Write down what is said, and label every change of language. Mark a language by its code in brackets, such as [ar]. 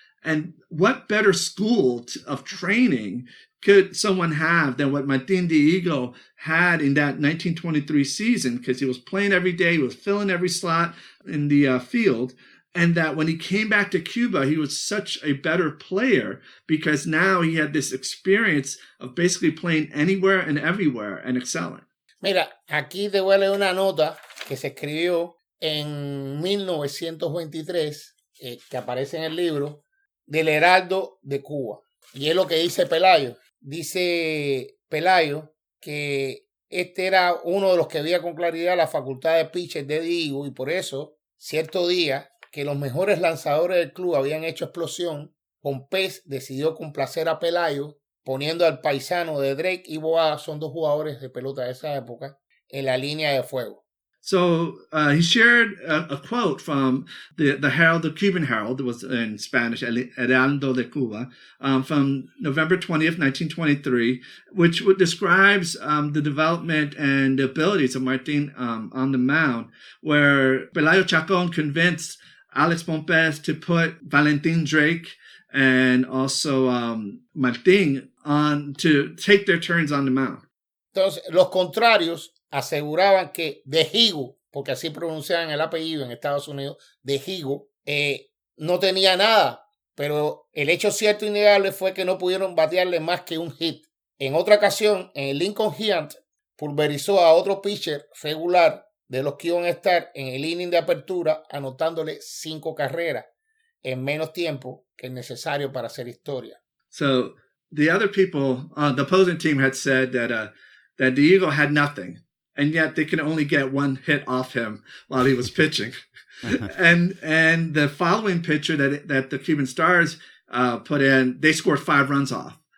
[en] And what better school of training could someone have than what Martin Diego had in that 1923 season? Because he was playing every day. He was filling every slot in the field. And that when he came back to Cuba, he was such a better player because now he had this experience of basically playing anywhere and everywhere and excelling. [es] Mira, aquí te voy a leer una nota que se escribió en 1923, que aparece en el libro, del Heraldo de Cuba. Y es lo que dice Pelayo. Dice Pelayo que este era uno de los que veía con claridad la facultad de pitcher de Diego y por eso, cierto día, que los mejores lanzadores del club habían hecho explosión, Pompés decidió complacer a Pelayo poniendo al paisano de Drake y Boa, son dos jugadores de pelota de esa época, en la línea de fuego. [en] So he shared a quote from the Herald, the Cuban Herald, it was in Spanish, Heraldo de Cuba, from November 20th, 1923, which describes the development and the abilities of Martin on the mound, where Pelayo Chacon convinced Alex Pompés to put Valentin Drake and also Martin on to take their turns on the mound. [es] Entonces, los contrarios aseguraban que De Higo, porque así pronunciaban el apellido en Estados Unidos, De Higo, no tenía nada, pero el hecho cierto y innegable fue que no pudieron batearle más que un hit. En otra ocasión, en el Lincoln Giant, pulverizó a otro pitcher regular de los que iban a estar en el inning de apertura, anotándole 5 carreras en menos tiempo que el necesario para hacer historia. [en] So, the other people, the opposing team had said that that Diego had nothing, and yet they could only get one hit off him while he was pitching. and the following pitcher that the Cuban Stars put in, they scored 5 runs off.